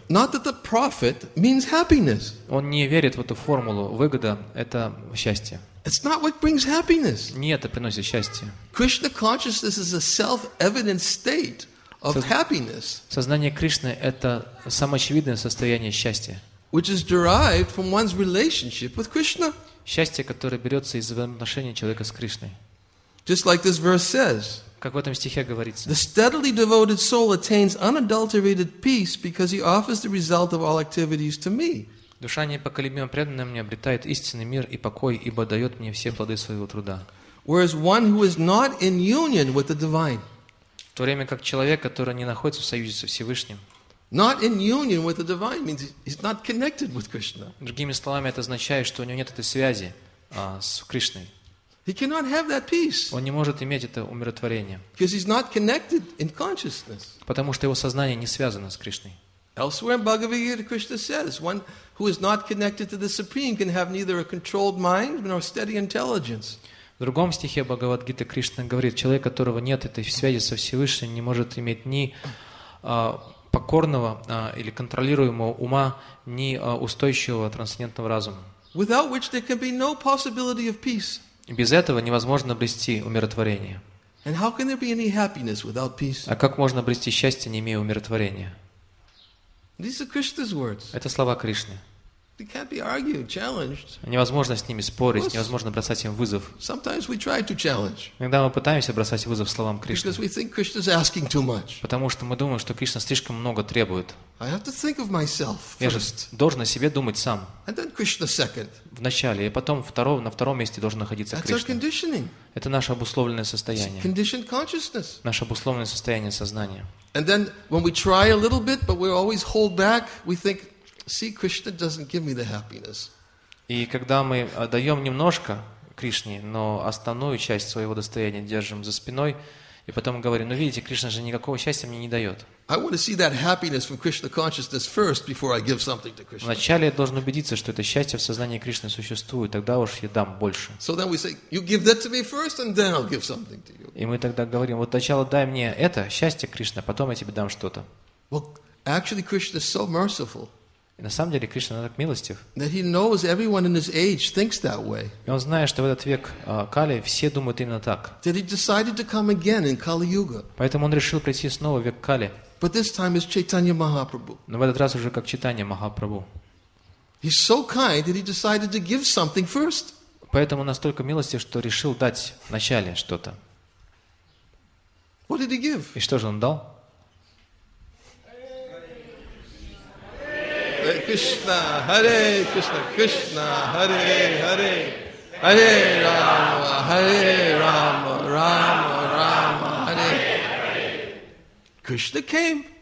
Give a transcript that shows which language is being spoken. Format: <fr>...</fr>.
<en>Not that the profit means happiness.</en> <ru>Он не верит в эту формулу. Выгода – это счастье.</ru> <en>It's not what brings happiness.</en> <ru>Не это приносит счастье.</ru> <en>Krishna consciousness is a self-evident state. Of happiness.</en> <ru>Сознание Кришны — это самоочевидное состояние счастья.</ru> <en>Which is derived from one's relationship with Krishna.</en> <ru>Счастье, которое берется из взаимоотношений человека с Кришной.</ru> <en>Just like this verse says.</en> <ru>Как в этом стихе говорится.</ru> <en>The steadily devoted soul attains unadulterated peace because he offers the result of all activities to me.</en> <ru>Душа непоколебимо преданная мне обретает истинный мир и покой, ибо дает мне все плоды своего труда.</ru> <en>Whereas one who is not in union with the divine.</en> <ru>В то время как человек, который не находится в союзе со Всевышним.</ru> <en>Not in union with the divine means he's not connected with Krishna.</en> <ru>Другими словами, это означает, что у него нет этой связи с Кришной.</ru> <en>He cannot have that peace.</en> <ru>Он не может иметь это умиротворение.</ru> <en>Because he's not connected in consciousness.</en> <ru>Потому что его сознание не связано с Кришной.</ru> <en>Elsewhere in Bhagavad Gita, Krishna says, one who is not connected to the Supreme can have neither a controlled mind nor steady intelligence.</en> <ru>В другом стихе Бхагавад-гиты Кришна говорит, человек, которого нет этой связи со Всевышним, не может иметь ни покорного или контролируемого ума, ни устойчивого трансцендентного разума.</ru> <en>Without which there can be no possibility of peace.</en> <ru>И без этого невозможно обрести умиротворение.</ru> <en>And how can there be any happiness without peace?</en> <ru>А как можно обрести счастье, не имея умиротворения?</ru> <en>These are Krishna's words.</en> <ru>Это слова Кришны.</ru> <en>It can't be argued, challenged.</en> <ru>Невозможно с ними спорить, невозможно бросать им вызов.</ru> <en>Sometimes we try to challenge.</en> <ru>Иногда мы пытаемся бросать вызов словам Кришны.</ru> <en>Because we think Krishna's asking too much.</en> <ru>Потому что мы думаем, что Кришна слишком много требует.</ru> <en>I have to think of myself first.</en> <ru>Я же должен о себе думать сам.</ru> <en>And then Krishna second.</en> <ru>Вначале, и потом на втором месте должен находиться Кришна.</ru> <en>That's our conditioning.</en> <ru>Это наше обусловленное состояние.</ru> <en>It's conditioned consciousness.</en> <ru>Наше обусловленное состояние сознания.</ru> <en>And then when we try a little bit, but we always hold back, we think. See, Krishna doesn't give me the happiness.</en> <ru>И когда мы даем немножко Кришне, но основную часть своего достояния держим за спиной, и потом говорим: ну видите, Кришна же никакого счастья мне не дает.</ru> <en>I want to see that happiness from Krishna consciousness first before I give something to Krishna.</en> <ru>Вначале я должен убедиться, что это счастье в сознании Кришны существует, тогда уж я дам больше.</ru> <en>So then we say, you give that to me first, and then I'll give something to you.</en> <ru>И мы тогда говорим: вот сначала дай мне это счастье, Кришна, потом я тебе дам что-то.</ru> <en>Well, actually, Krishna is so merciful.</en> <ru>И на самом деле Кришна так милостив.</ru> <en>That he knows everyone in his age thinks that way.</en> <ru>И он знает, что в этот век Кали все думают именно так.</ru> <en>That he decided to come again in Kali Yuga.</en> <ru>Поэтому он решил прийти снова в век Кали.</ru> <en>But this time is Chaitanya Mahaprabhu.</en> <ru>Но в этот раз уже как Чайтанья Махапрабху.</ru> <en>He's so kind that he decided to give something first.</en> <ru>Поэтому настолько милостив, что решил дать вначале что-то.</ru> <en>What did he give?</en> <ru>И что же он дал?</ru> <sa>Кришна, Харе Кришна, Кришна, Харе Харе, Харе Рама, Харе Рама, Рама Рама, Харе.</sa> <en>Кришна came.</en>